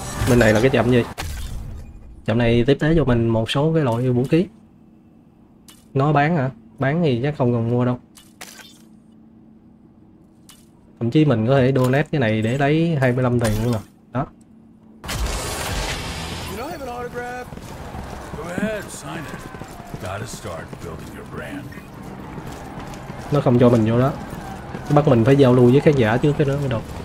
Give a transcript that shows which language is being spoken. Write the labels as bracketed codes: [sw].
[vi] Bên này là cái chậm gì? Chậm này tiếp tế cho mình một số cái loại vũ khí. Nó bán hả? Bán thì chắc không cần mua đâu. Thậm chí mình có thể donate cái này để lấy 25 tiền luôn rồi. Đó. [en] You don't have an autograph. Go ahead, sign it. Gotta start building your brand. [vi] Nó không cho mình vô đó. Bắt mình phải giao lưu với khán giả trước cái đó mới được.